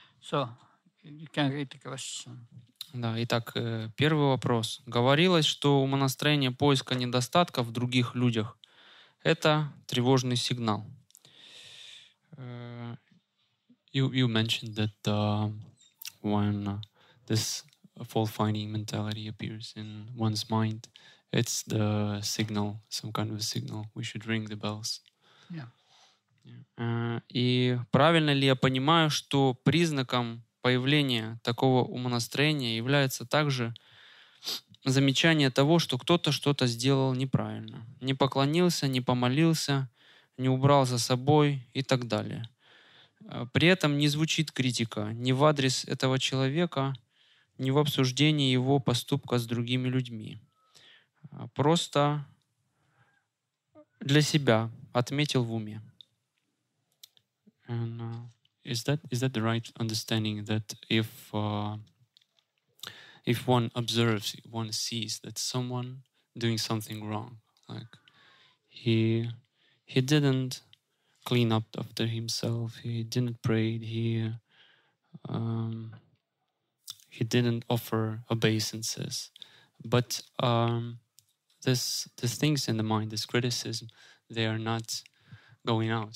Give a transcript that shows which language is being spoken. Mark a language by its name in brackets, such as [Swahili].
[Russian] Да, итак, первый вопрос. Говорилось, что умонастроение поиска недостатка в других людях — это тревожный сигнал. [English] You mentioned that when this fault-finding mentality appears in one's mind, it's the signal, some kind of a signal. We should ring the bells. [Russian] И правильно ли я понимаю, что признаком появления такого умонастроения является также замечание того, что кто-то что-то сделал неправильно? Не поклонился, не помолился, не убрал за собой и так далее. При этом не звучит критика ни в адрес этого человека, не в обсуждении его поступка с другими людьми. Просто для себя отметил в уме. [English] And is that the right understanding that if one observes, one sees that someone doing something wrong, like he didn't clean up after himself, he didn't pray, he didn't offer obeisances, but this things in the mind, this criticism, they are not going out.